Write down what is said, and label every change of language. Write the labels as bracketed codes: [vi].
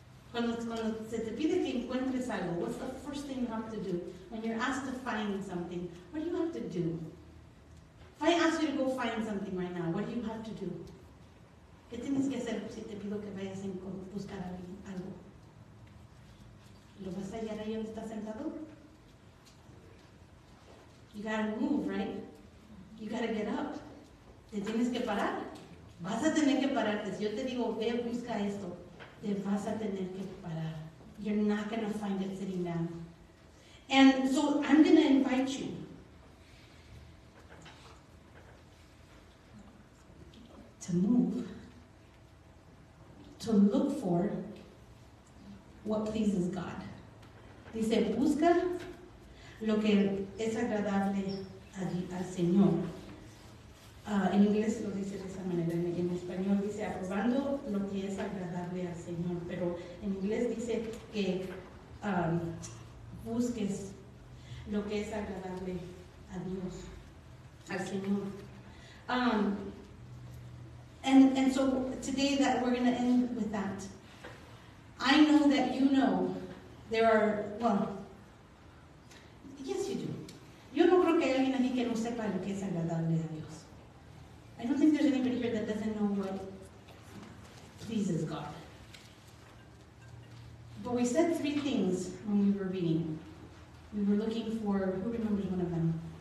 [es] Cuando se te pide que encuentres algo, [en] what's the first thing you have to do? When you're asked to find something, what do you have to do? If I ask you to go find something right now, what do you have to do? [es] ¿Qué tienes que hacer si te pido que vayas a buscar algo? ¿Lo vas a hallar ahí donde estás sentado? [en] You gotta move, right? You gotta get up. [es] ¿Te tienes que parar? Vas a tener que pararte. Si yo te digo, ve, busca esto, te vas a tener que parar. [en] You're not going to find it sitting down. And so I'm going to invite you to move, to look for what pleases God. [es] Dice, busca lo que es agradable al Señor. En inglés lo dice de esa manera, en español dice, aprobando lo que es agradable al Señor. Pero en inglés dice que busques lo que es agradable a Dios, al Señor. [en] And so today that we're going to end with that. I know that you know there are, well, yes you do. [es] Yo no creo que haya alguien aquí que no sepa lo que es agradable a Dios. [en] I don't think there's anybody here that doesn't know what pleases God. But we said three things when we were reading. We were looking for, who remembers one of them?